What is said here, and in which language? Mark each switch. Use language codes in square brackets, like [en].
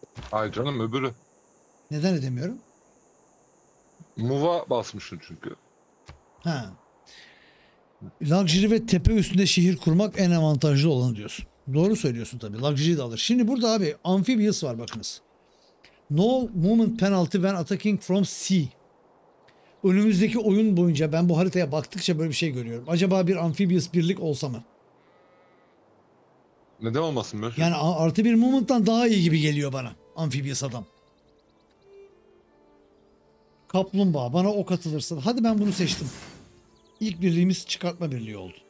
[tr] Hayır canım öbürü. Neden edemiyorum? Move'a basmışsın çünkü. Ha. Luxury ve tepe üstünde şehir kurmak en avantajlı olanı diyorsun. Doğru söylüyorsun tabii. Luxury'yi de alır. Şimdi burada abi amphibious var bakınız. [en] No movement penalty when attacking from sea. [tr] Önümüzdeki oyun boyunca ben bu haritaya baktıkça böyle bir şey görüyorum. Acaba bir amphibious birlik olsa mı? Neden olmasın be? Yani artı bir movement'tan daha iyi gibi geliyor bana. Amphibious adam. Kaplumbağa bana o katılırsın. Hadi ben bunu seçtim. İlk birliğimiz çıkartma birliği oldu.